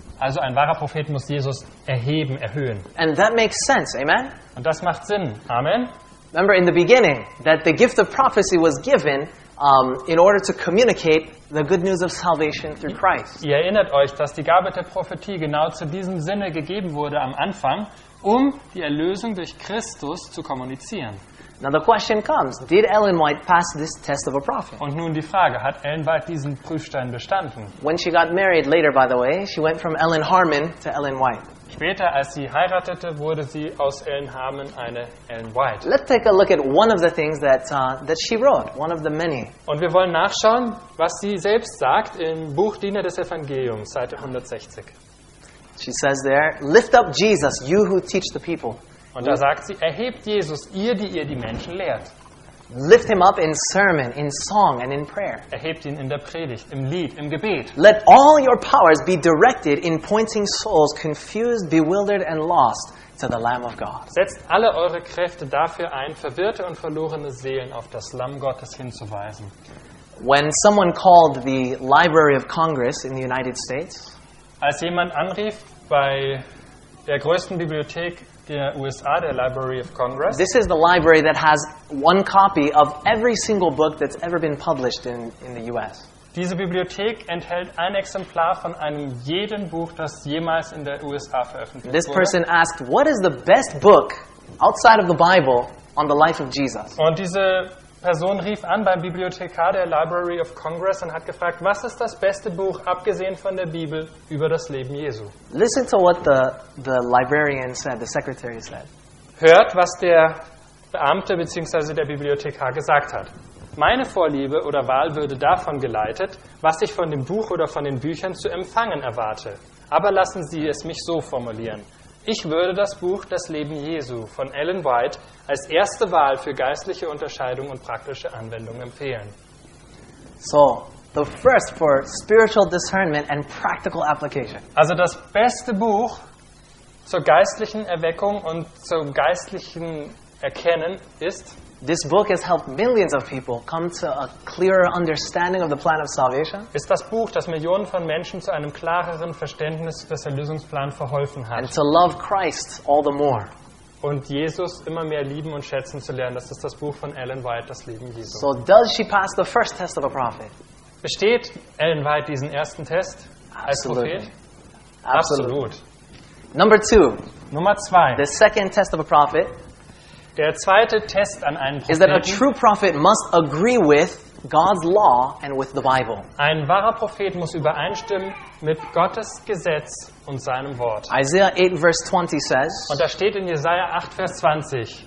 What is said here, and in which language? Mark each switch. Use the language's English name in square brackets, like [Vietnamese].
[German] Also ein wahrer Prophet muss Jesus erheben, erhöhen. [English] And that makes sense, amen? [German] Und das macht Sinn, amen? [English] Remember in the beginning that the gift of prophecy was given in order to communicate the good news of salvation through Christ. [German] Ihr erinnert euch, dass die Gabe der Prophetie genau zu diesem Sinne gegeben wurde am Anfang, um die Erlösung durch Christus zu kommunizieren. [English] Now the question comes, did Ellen White pass this test of a prophet? [German] Und nun die Frage, hat Ellen White diesen Prüfstein bestanden? [English] When she got married later, by the way, she went from Ellen Harmon to Ellen White. [German] Später, als sie heiratete, wurde sie aus Ellen Harmon eine Ellen White. [English] Let's take a look at one of the things that that she wrote, one of the many. [German] Und wir wollen nachschauen, was sie selbst sagt im Buch Diener des Evangeliums, Seite 160. [English] She says there, lift up Jesus, you who teach the people. [German] Und da sagt sie, erhebt Jesus, ihr, die ihr die Menschen lehrt. [English] Lift him up in sermon, in song and in prayer. [German] Erhebt ihn in der Predigt, im Lied, im Gebet. [English] Let all your powers be directed in pointing souls confused, bewildered and lost to the Lamb of God. [German] Setzt alle eure Kräfte dafür ein, verwirrte und verlorene Seelen auf das Lamm Gottes hinzuweisen. [English] When someone called the Library of Congress in the United States, [German] als jemand anrief bei der größten Bibliothek der USA, der Library of Congress. [English] This is the library that has one copy of every single book that's ever been published in the US. [German] Diese Bibliothek enthält ein Exemplar von einem jeden Buch, das jemals in der USA veröffentlicht wurde. [English] This person asked, what is the best book outside of the Bible on the life of Jesus? [German] Und diese Person rief an beim Bibliothekar der Library of Congress und hat gefragt, was ist das beste Buch, abgesehen von der Bibel, über das Leben Jesu? [English] Listen to what the librarian said, the secretary said. [German] Hört, was der Beamte bzw. der Bibliothekar gesagt hat. Meine Vorliebe oder Wahl würde davon geleitet, was ich von dem Buch oder von den Büchern zu empfangen erwarte. Aber lassen Sie es mich so formulieren. Ich würde das Buch Das Leben Jesu von Ellen White als erste Wahl für geistliche Unterscheidung und praktische Anwendung empfehlen. [English] So, the first for spiritual discernment and practical application. [German] Also das beste Buch zur geistlichen Erweckung und zum geistlichen Erkennen ist... [English] This book has helped millions of people come to a clearer understanding of the plan of salvation. [German] Ist das Buch, das Millionen von Menschen zu einem klareren Verständnis des Erlösungsplans verholfen hat. [English] And to love Christ all the more. [German] Und Jesus immer mehr lieben und schätzen zu lernen. Das ist das Buch von Ellen White, das Leben Jesu. [English] So does she pass the first test of a prophet? [German] Besteht Ellen White diesen ersten Test als [English] Absolutely. [German] Prophet? [English] Absolutely. [German] Absolut. [English] Number two. [German] Nummer zwei. [English] The second test of a prophet. [German] Der zweite Test an einen Propheten [English] is that a true prophet must agree with God's law and with the Bible. [German] Ein wahrer Prophet muss übereinstimmen mit Gottes Gesetz und seinem Wort. [English] Isaiah 8 verse 20 says. [German] Und da steht in Jesaja 8 vers 20.